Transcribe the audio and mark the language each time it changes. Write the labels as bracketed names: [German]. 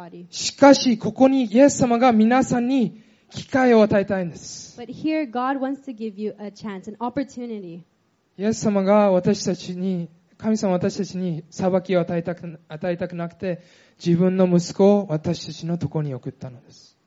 [Japanese] しかし、ここにイエス様が皆さんに機会を与えたいんです。 [English] But here God wants to give you a chance, an opportunity. [Japanese] イエス様が私たちに、神様私たちに裁きを与えたくなくて、自分の息子を私たちのところに送ったのです。